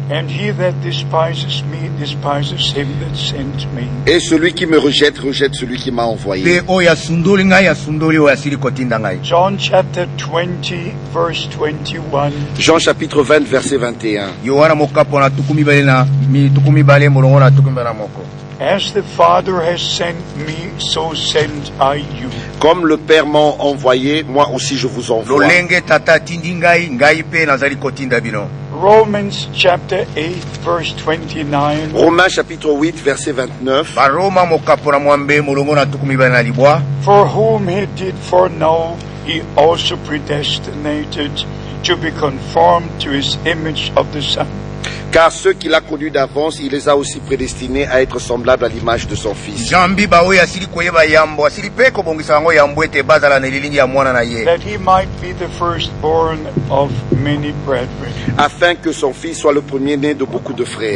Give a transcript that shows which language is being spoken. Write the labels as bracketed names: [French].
[English] And he that despises me despises him that sent me. [French] Et celui qui me rejette rejette celui qui m'a envoyé. [Lingala] Pe oya sundoli ngai asundoli oya silikotinda ngai. [English] John chapter 20 verse 21. [French] Jean chapitre 20 verset 21. [Lingala] Yohana mokapo na tukumi bale na mi tukumi bale molongo na tukumi bale moko. [English] As the Father has sent me, so send I you. [French] Comme le Père m'a envoyé, moi aussi je vous envoie. [Lingala] Lolenge tata tindingai ngai pe nazali kotinda bino. [English] Romans chapter 8 verse 29. [French] Romains chapitre 8 verset 29. [Lingala] Ba Roma mokapona mwambe molongo na tukumi bana libwa. [English] For whom he did foreknow, he also predestinated to be conformed to his image of the Son. [French] Car ceux qu'il a connus d'avance, il les a aussi prédestinés à être semblables à l'image de son Fils. [English] That he might be the firstborn of many brethren. [French] Afin que son Fils soit le premier-né de beaucoup de frères.